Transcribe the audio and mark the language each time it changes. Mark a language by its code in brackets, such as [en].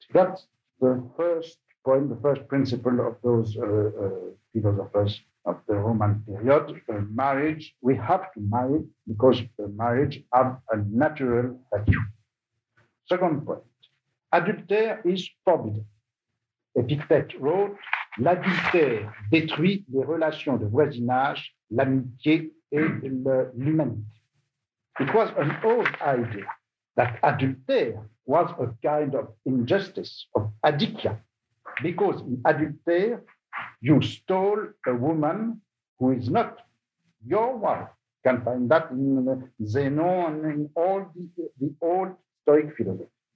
[en] That's the first point, the first principle of those philosophers of the Roman period. Marriage, we have to marry because marriage has a natural value. Second point, adultery is forbidden. Epictet wrote, [fr] l'adultère détruit les relations de voisinage, l'amitié et l'humanité. [en] It was an old idea that adultère was a kind of injustice, of adicia, because in adultère, you stole a woman who is not your wife. You can find that in Zenon and in all the old Stoic philosophy.